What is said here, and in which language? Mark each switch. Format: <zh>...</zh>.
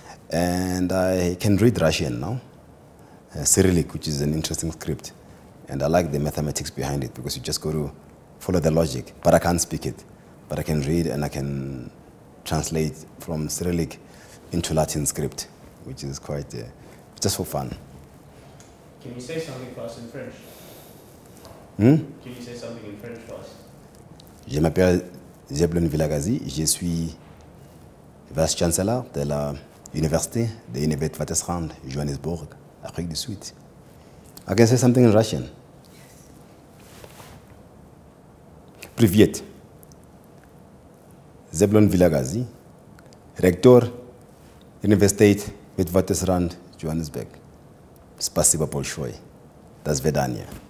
<en>And I can read Russian now, Cyrillic, which is an interesting script, and I like the mathematics behind it, because you just got to follow the logic, but I can't speak it. But I can read and I can translate from Cyrillic into Latin script, which is quite, just for fun. Can you say something for us in French? Hmm? Can you say something in French for us?</en> <fr>Je m'appelle Zeblon Villagazi, je suis vice-chancellor de la Université de l'Université Wattesrand, Johannesburg, Afrique du Sud.</fr> <en>I can say something in Russian.</en> <ru>Привет. Zeblon Villagazi, rector, Universität Witwatersrand, Johannesburg. Спасибо большое. До свидания.</ru>